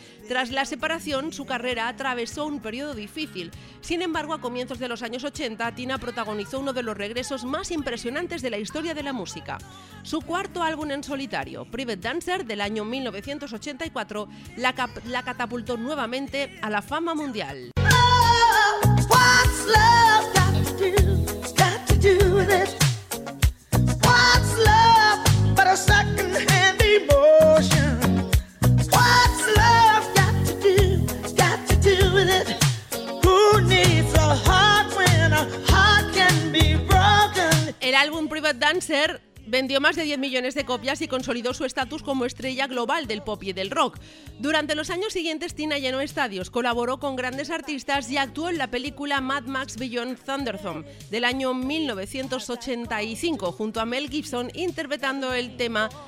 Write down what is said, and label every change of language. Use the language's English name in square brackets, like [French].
[Spanish] Tras la separación, su carrera atravesó un periodo difícil. Sin embargo, a comienzos de los años 80, Tina protagonizó uno de los regresos más impresionantes de la historia de la música. Su cuarto álbum en solitario, Private Dancer, del año 1984, la catapultó nuevamente a la fama mundial. [English] Oh, what's love got to do with it? Secondhand emotion. What's love got to do with it? Who needs a heart when a heart can be broken? [Spanish] El álbum Private Dancer vendió más de 10 millones de copias y consolidó su estatus como estrella global del pop y del rock. Durante los años siguientes, Tina llenó estadios, colaboró con grandes artistas y actuó en la película Mad Max Beyond Thunderdome del año 1985 junto a Mel Gibson interpretando el tema